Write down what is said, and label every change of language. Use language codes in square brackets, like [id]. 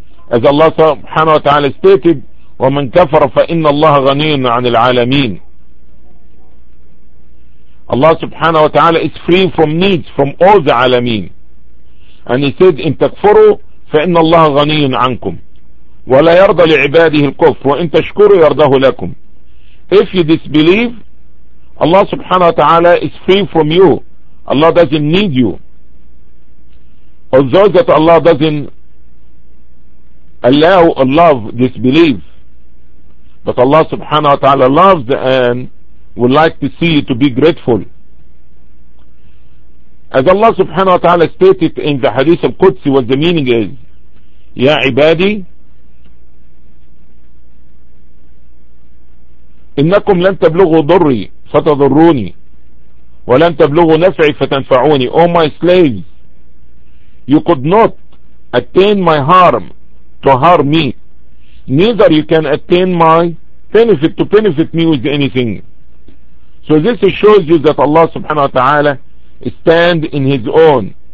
[en] As Allah subhanahu wa ta'ala stated, [ar] وَمَنْ كَفَرَ فَإِنَّ اللَّهَ غَنِيٌّ عَنِ الْعَالَمِينَ. [en] Allah subhanahu wa ta'ala is free from needs from all the alameen. And He said, [ar] إِنْ تَكْفُرُوا فَإِنَّ اللَّهَ غَنِيٌّ عَنْكُمْ وَلَا يَرْضَ لِعِبَادِهِ الْكُفْرُ وَإِنْ تَشْكُرُوا يَرْضَهُ لَكُمْ. [en] If you disbelieve, Allah subhanahu wa ta'ala is free from you. Allah doesn't need you. Although that Allah doesn't allow or love disbelief, but Allah subhanahu wa ta'ala loves and would like to see you to be grateful. As Allah subhanahu wa ta'ala stated in the Hadith of Qudsi, what the meaning is, [ar] Ya ibadi, innakum lan tablughu durri fatadurruni, ولن تبلغوا نفعي فتنفعوني. [en] Oh my slaves, you could not attain my harm to harm me, neither you can attain my benefit to benefit me with anything. So this shows you that Allah subhanahu wa ta'ala stand in his own.